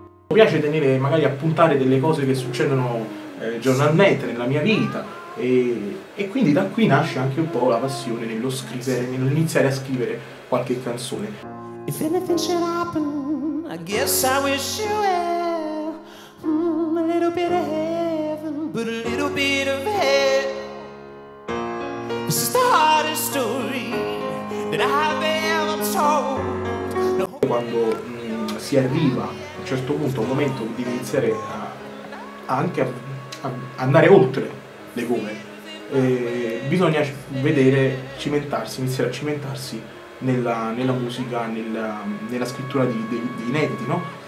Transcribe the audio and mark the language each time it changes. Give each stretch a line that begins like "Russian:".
Italian: Mi piace tenere, magari appuntare delle cose che succedono giornalmente nella mia vita, e quindi da qui nasce anche un po' la passione nello scrivere, nell'iniziare a scrivere qualche canzone.
English: If anything should happen, I guess I wish you well. A little bit of heaven, but a little bit of hell. This is the hardest story that I've ever told.
Italian: Quando si arriva a un certo punto, un momento di iniziare a andare oltre le gomme, bisogna iniziare a cimentarsi nella musica, nella scrittura di inediti, no?